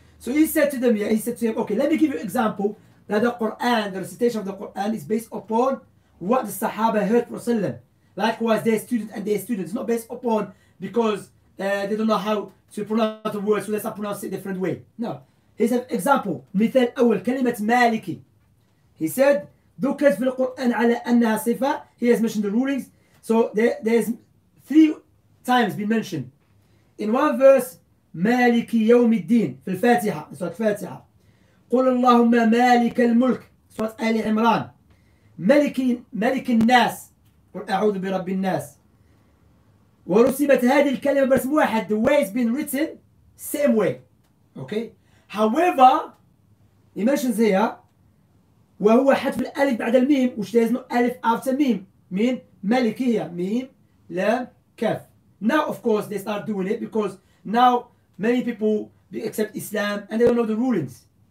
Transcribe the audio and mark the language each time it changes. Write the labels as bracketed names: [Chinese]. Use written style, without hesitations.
[English] So he said to them, okay, let me give you an example that the Quran, the recitation of the Quran, is based upon what the Sahaba heard from Sallam. Likewise, their students and their students, not based upon because they don't know how to pronounce the word, so let's not pronounce it a different way. No. He said, example, [Arabic] مثال أول كلمة مالكي. [English] He said, [Arabic] ذكرت في القرآن على أنها صفة. [English] He has mentioned the rulings. So there's three times been mentioned. In one verse, [Arabic] مالكي يوم الدين. في الفاتحة. سورة الفاتحة. قل اللهم مالك الملك. سورة آل عمران. ملك الناس. قل أعوذ برب الناس. ورسمت هذه الكلمة برسم واحد. [English] The way it's been written, same way. Okay? However, he mentions here, [Arabic] وهو حذف الألف بعد الميم, [English] which there is no ألف after ميم, mean ملك here, [Arabic] ميم لام كاف. [English] Now, of course, they start doing it because now many people accept Islam and they don't know the rulings.